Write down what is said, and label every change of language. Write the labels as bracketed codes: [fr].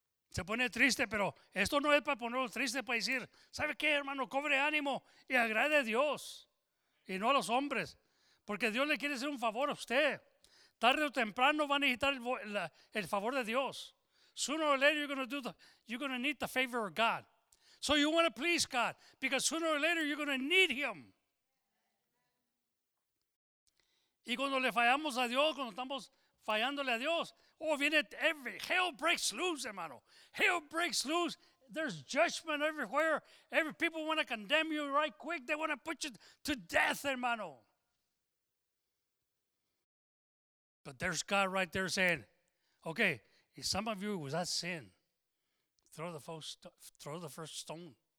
[es] Se pone triste, pero esto no es para ponerlo triste, para decir, ¿sabe qué, hermano? Cobre ánimo y agrade a Dios y no a los hombres. Porque Dios le quiere hacer un favor a usted. Tarde o temprano va a necesitar el favor de Dios. [en] Sooner or later you're going to need the favor of God. So you want to please God, because sooner or later you're going to need Him. [es] Y cuando le fallamos a Dios, cuando estamos fallándole a Dios, [en] hell breaks loose, [es] hermano. [en] Hell breaks loose. There's judgment everywhere. Every people want to condemn you right quick. They want to put you to death, hermano. But there's God right there saying, okay, if some of you was that sin, throw the first stone.